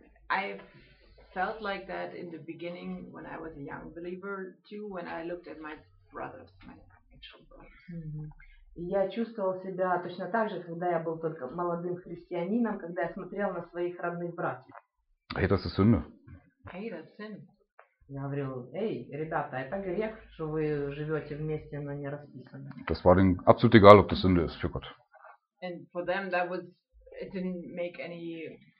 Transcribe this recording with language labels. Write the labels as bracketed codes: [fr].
[en] I felt like that in the beginning when I was a young believer too, when I looked at my brothers, my actual brothers. [ru] Я чувствовал себя точно так же, когда я был только молодым христианином, когда я смотрел на своих родных братьев. [de] Hey, das ist Sünde. [en] Hey, that's sin. [ru] Я говорил, эй, ребята, это грех, что вы живете вместе, но не расписаны. [de] Das war denen absolut egal, ob das Sünde ist für Gott. [en] And for them, that was it didn't make any.